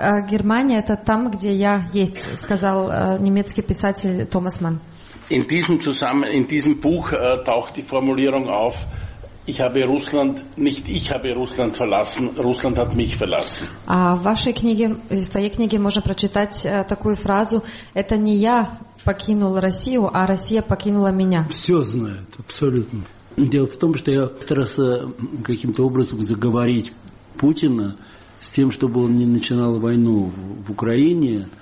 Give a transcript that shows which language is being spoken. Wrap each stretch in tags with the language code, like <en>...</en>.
<ru>Германия – это там, где я есть, сказал немецкий писатель Томас Манн.</ru> <de>In diesem Zusammenhang, in diesem Buch taucht die Formulierung auf, ich habe Russland, nicht ich habe Russland verlassen, Russland hat mich verlassen.</de> <ru>В вашей книге, в твоей книге можно прочитать такую фразу, это не я покинул Россию, а Россия покинула меня. Все знают, абсолютно. Дело в том, что я старался каким-то образом заговорить Путина с тем, чтобы он не начинал войну в Украине.</ru>